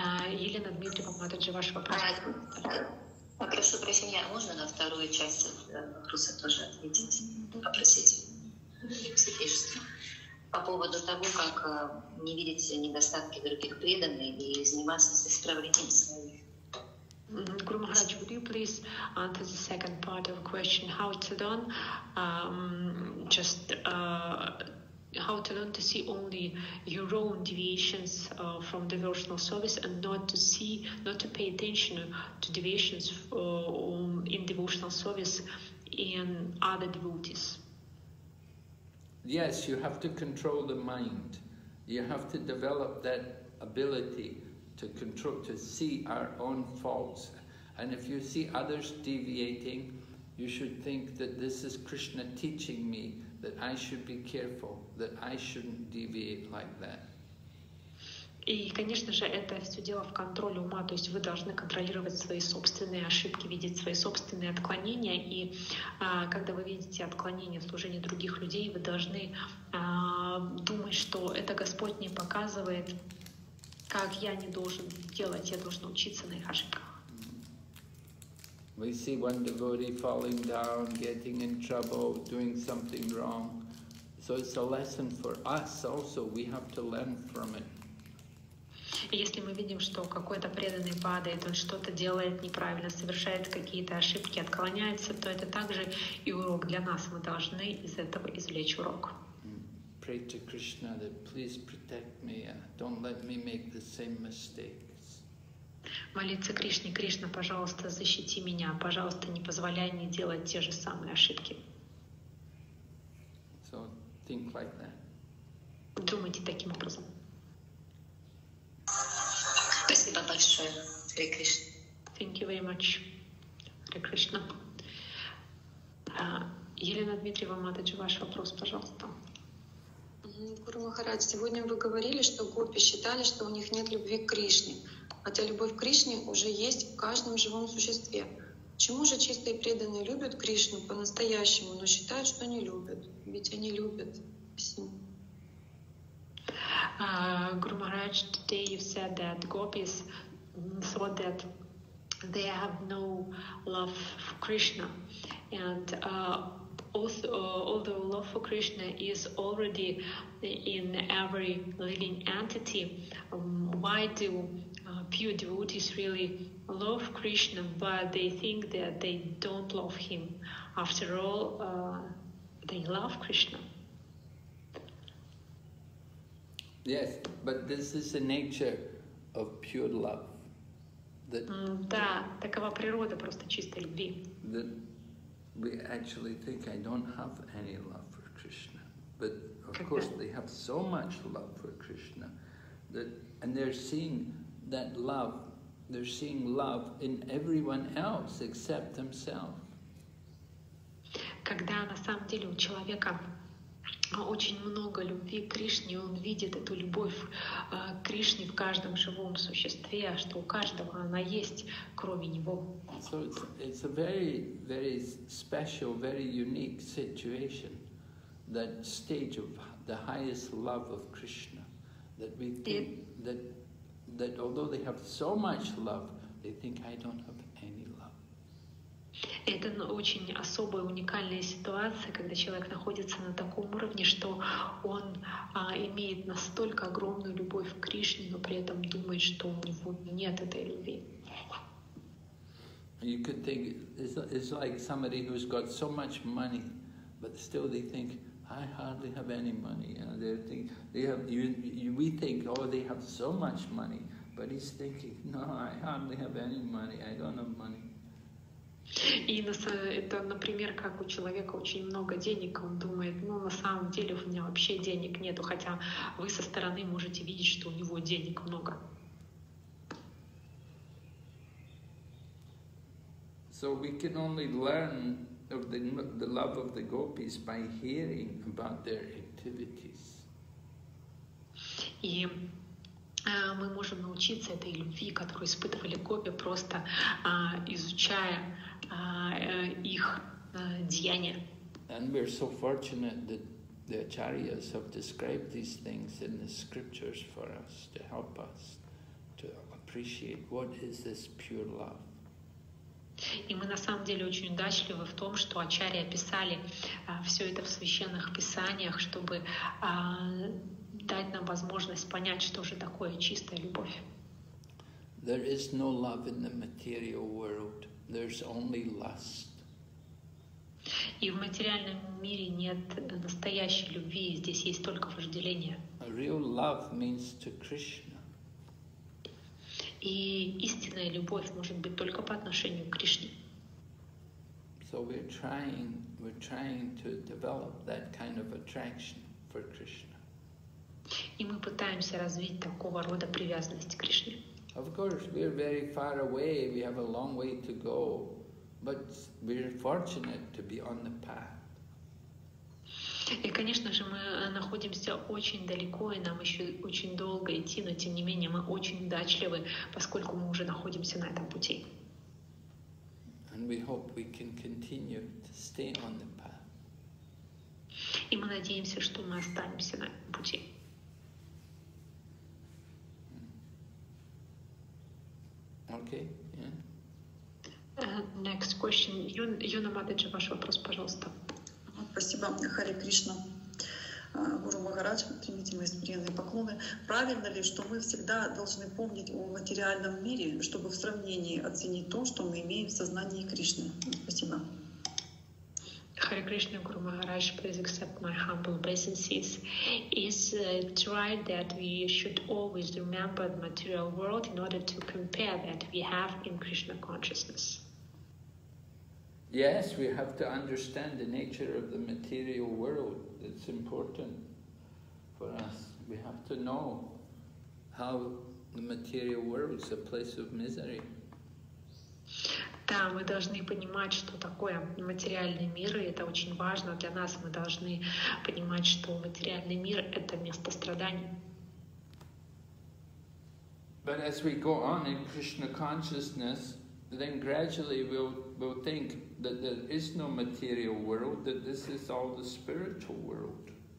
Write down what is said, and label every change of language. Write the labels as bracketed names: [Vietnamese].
[Russian] Елена Дмитриева, Матаджи, ваш вопрос. Прошу прощения, можно на вторую часть вопроса тоже ответить? Попросить святейшество. По поводу того, как не видеть недостатки других преданных и заниматься исправлением своих. [English] Guru Maharaj, would you please answer the second part of the question, how to learn, how to learn to see only your own deviations from devotional service and not to pay attention to deviations in devotional service in other devotees? Yes, you have to control the mind. You have to develop that ability to control, to see our own faults. And if you see others deviating, you should think that this is Krishna teaching me that I should be careful, that I shouldn't deviate like that. [Russian] И, конечно же, это все дело в контроле ума, то есть вы должны контролировать свои собственные ошибки, видеть свои собственные отклонения, и когда вы видите отклонения в служении других людей, вы должны думать, что это Господь не показывает, как я не должен делать, я должен учиться на их ошибках. [English] We see one devotee falling down, getting in trouble, doing something wrong. So it's a lesson for us also. We have to learn from it. [Russian] Если мы видим, что какой-то преданный падает, он что-то делает неправильно, совершает какие-то ошибки, отклоняется, то это также и урок для нас. Мы должны из этого извлечь урок. [English] Pray to Krishna that please protect me and don't let me make the same mistakes. [Russian] Молиться Кришне, Кришна, пожалуйста, защити меня, пожалуйста, не позволяй мне делать те же самые ошибки. [English] So think like that. [Russian] Думайте таким образом. Спасибо большое, Hare Krishna. [English] Thank you very much, Hare Krishna. [Russian] Елена Дмитриева, Матаджи, ваш вопрос, пожалуйста. Гуру Махарадж, сегодня вы говорили, что гопи считали, что у них нет любви к Кришне, хотя любовь к Кришне уже есть в каждом живом существе. Почему же чистые преданные любят Кришну по-настоящему, но считают, что не любят? Ведь они любят. Спасибо. [English] Гуру Махарадж, today you said that gopis thought that they have no love for Krishna, and although love for Krishna is already in every living entity, why do pure devotees really love Krishna, but they think that they don't love him. After all, they love Krishna. Yes, but this is the nature of pure love. [Russian] Да, такова природа просто чистой любви. [English] That we actually think I don't have any love for Krishna, but of course they have so much love for Krishna that, and they're seeing that love, they're seeing love in everyone else except themselves. [Russian] Когда на самом деле у человека очень много любви к Кришне, он видит эту любовь к Кришне в каждом живом существе, что у каждого она есть, кроме него. [English] So it's a very, very special, very unique situation, that stage of the highest love of Krishna, that we think that although they have so much love, they think I don't have any love. [Russian] Это очень особая, уникальная ситуация, когда человек находится на таком уровне, что он имеет настолько огромную любовь к Кришне, но при этом думает, что у него нет этой любви. [English] You could think it's like somebody who's got so much money, but still they think, I hardly have any money. And we think, oh, they have so much money, but he's thinking, no, I hardly have any money, I don't have money. [Russian] И это, например, как у человека очень много денег, он думает, ну, на самом деле у меня вообще денег нету, хотя вы со стороны можете видеть, что у него денег много. [English] So we can only learn of the love of the gopis by hearing about their activities. [Russian] И мы можем научиться этой любви, которую испытывали гопи, просто изучая их деяния. [English] And we're so fortunate that the acharyas have described these things in the scriptures for us to help us to appreciate what is this pure love. [Russian] И мы на самом деле очень удачливы в том, что ачарьи описали все это в священных писаниях, чтобы дать нам возможность понять, что же такое чистая любовь. [English] There is no love in the material world. There's only lust. [Russian] И в материальном мире нет настоящей любви, здесь есть только вожделение. [English] A real love means to Krishna. [Russian] И истинная любовь может быть только по отношению к Кришне. [English] So we're trying to develop that kind of attraction for Krishna. [Russian] И мы пытаемся развить такого рода привязанность к Кришне. [English] Of course, we're very far away, we have a long way to go, but we're fortunate to be on the path. [Russian] И, конечно же, мы находимся очень далеко, и нам еще очень долго идти, но тем не менее мы очень удачливы, поскольку мы уже находимся на этом пути. [English] And we hope we can continue to stay on the path. [Russian] И мы надеемся, что мы останемся на этом пути. [English] Okay, yeah. Next question. [Russian] Юна Мададжи, ваш вопрос, пожалуйста. Спасибо. Харе Кришна. Гуру Махарадж, примите мои смиренные поклоны. Правильно ли, что мы всегда должны помнить о материальном мире, чтобы в сравнении оценить то, что мы имеем в сознании Кришны? Спасибо. [English] Харе Кришна, Гуру Махарадж, please accept my humble obeisances. Is it right that we should always remember the material world in order to compare that we have in Krishna consciousness? Yes, we have to understand the nature of the material world. It's important for us. We have to know how the material world is a place of misery. [Russian] Да, мы должны понимать, что такое материальный мир, и это очень важно для нас. Мы должны понимать, что материальный мир — это место страданий. [English] But as we go on in Krishna consciousness, then gradually we'll think that there is no material world, that this is all the spiritual world.